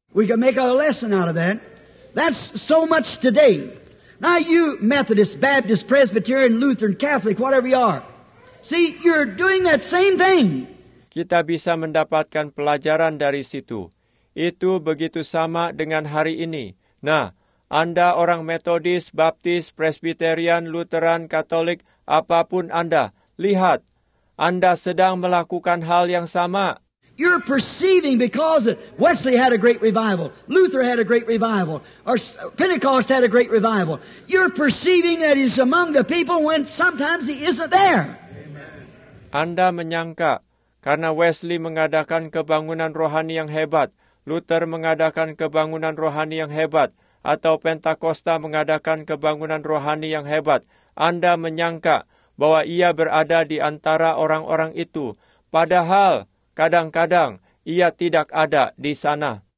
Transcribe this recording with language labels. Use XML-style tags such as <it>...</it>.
<en>We can make a lesson out of that. That's so much today. Now you Methodist, Baptist, Presbyterian, Lutheran, Catholic, whatever you are. See, you're doing that same thing.</en> <id>Kita bisa mendapatkan pelajaran dari situ. Itu begitu sama dengan hari ini. Nah, Anda orang Methodist, Baptist, Presbyterian, Lutheran, Katolik, apapun Anda, lihat, Anda sedang melakukan hal yang sama.</id> <en>You're perceiving because Wesley had a great revival, Luther had a great revival, or Pentecost had a great revival. You're perceiving that he's among the people when sometimes he isn't there.</en> <id>Anda menyangka, karena Wesley mengadakan kebangunan rohani yang hebat, Luther mengadakan kebangunan rohani yang hebat, atau Pentakosta mengadakan kebangunan rohani yang hebat, Anda menyangka bahwa ia berada di antara orang-orang itu, padahal kadang-kadang ia tidak ada di sana.</id>